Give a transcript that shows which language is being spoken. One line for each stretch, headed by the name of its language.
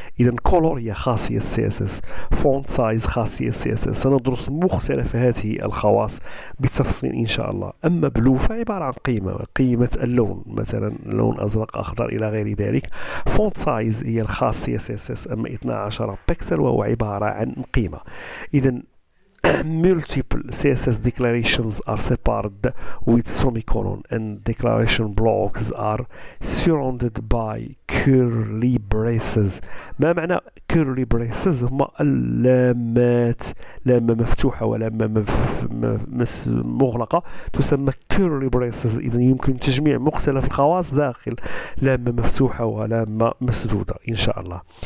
Arabic: إذا كولور هي خاصية سي اس اس، فونت سايز خاصية سي اس اس. سندرس مختلف هذه الخواص بالتفصيل إن شاء الله. أما بلو فعبارة عن قيمة، قيمة اللون، مثلا لون أزرق أخضر إلى غير ذلك. فونت سايز هي الخاصية سي اس اس، أما 12 بيكسل وهو عبارة عن قيمة.
English: إذا multiple CSS declarations are separated with semicolon and declaration blocks are surrounded by curly braces.
Arabic: ما معنى curly braces؟ هما اللامات، لامة مفتوحة ولامة مغلقة، تسمى curly braces. إذا يمكن تجميع مختلف الخواص داخل لامة مفتوحة ولامة مسدودة إن شاء الله.